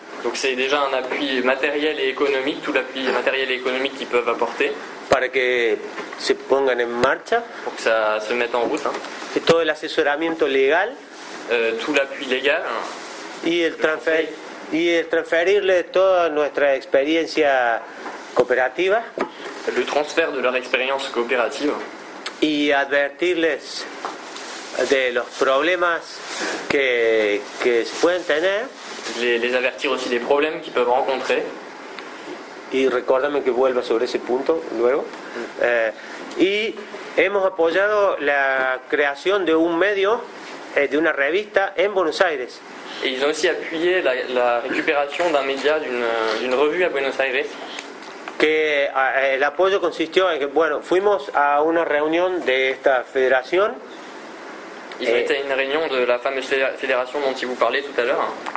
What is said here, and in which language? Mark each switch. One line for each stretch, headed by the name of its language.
French: Donc c'est déjà un appui matériel et économique, tout l'appui matériel et économique qu'ils peuvent apporter.
Spanish: Para que se pongan en marcha.
French: Pour que ça se mette en route. Hein.
Spanish: Y todo el asesoramiento legal.
French: Tout l'appui légal.
Spanish: Hein. Y el transferirle toda nuestra experiencia cooperativa.
French: Le transfert de leur expérience coopérative.
Spanish: Y advertirles de los problemas que se pueden tener.
French: Les avertir aussi des problèmes qu'ils peuvent rencontrer.
Spanish: Y recuérdame que vuelva sobre ese punto luego. Y hemos apoyado la creación de un medio, de una revista en Buenos Aires.
French: Et ils ont aussi appuyé la récupération d'un média, d'une revue à Buenos Aires.
Spanish: Que el apoyo consistió en que, bueno, fuimos a una reunión de esta federación.
French: Ils ont été à une réunion de la fameuse fédération dont ils vous parlaient tout à l'heure.